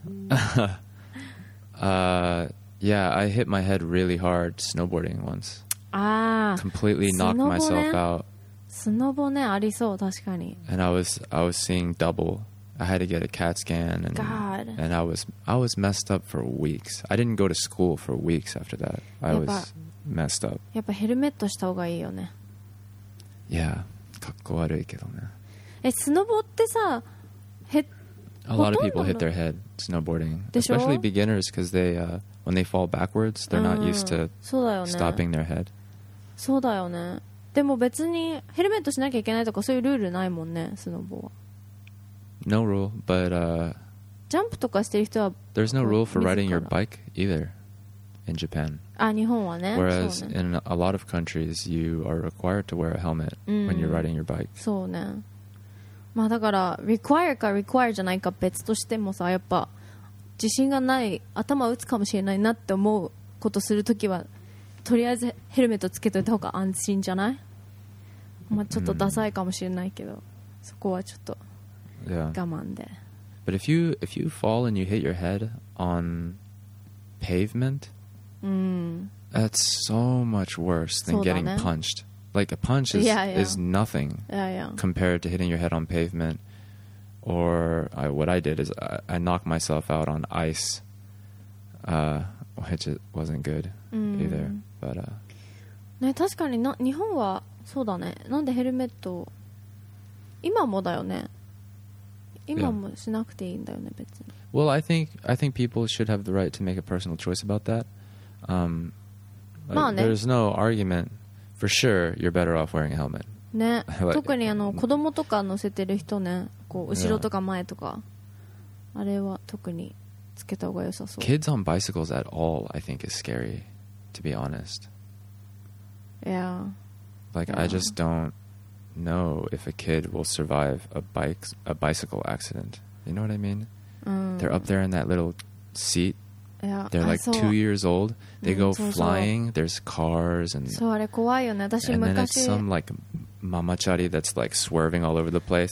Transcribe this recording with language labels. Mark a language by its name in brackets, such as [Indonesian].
[English] yeah, I hit my head really hard snowboarding once. Ah, completely knocked myself out. [Japanese] Snowboard, ne, ありそう確かに. [English] And I was seeing double. I had to get a CAT scan and, God. And I was messed up for weeks. I didn't go to school for weeks after that. I was messed up. [Japanese] やっぱヘルメットした方がいいよね。いや、かっこ悪いけどね。え、スノボってさ、 [English] A lot of people hit their head snowboarding. Especially beginners because they, when they fall backwards, they're not used to stopping their head. [Japanese] そうだよね。でも別にヘルメットしなきゃいけないとかそういうルールないもんね、スノボは。 [English] No rule, but [Japanese] ジャンプとかしてる人は [English] There's no rule for riding your bike either in Japan. [Japanese] あ、日本はね。 [English] Whereas [Japanese] ね [English] in a lot of countries, you are required to wear a helmet when you're riding your bike. [Japanese] そうね。まあだから require か require じゃないか別としてもさ、やっぱ自信がない頭打つかもしれないなって思うことするときはとりあえずヘルメットつけといた方が安心じゃない？まあちょっとダサいかもしれないけど、そこはちょっと。 [English] Yeah. But if you fall and you hit your head on pavement, that's so much worse than getting punched. Like a punch is nothing compared to hitting your head on pavement. Or what I did is I knocked myself out on ice, which wasn't good either. But [Japanese] ね、確かに日本はそうだね。なんでヘルメット今もだよね。 [English] Well, I think people should have the right to make a personal choice about that. There's no argument. For sure, you're better off wearing a helmet. [Japanese] ね、特にあの子供とか乗せてる人ね、こう後ろとか前とか、あれは特につけた方が良さそう。 [English] Kids on bicycles at all, I think, is scary, to be honest. Yeah. Like, yeah. I just don't. Know if a kid will survive a bicycle accident. You know what I mean? They're up there in that little seat. Yeah. They're like 2 years old. They go flying. There's cars and [Japanese] そうあれ怖いよね。私昔 [English] and then it's some like ママチャリ that's like swerving all over the place.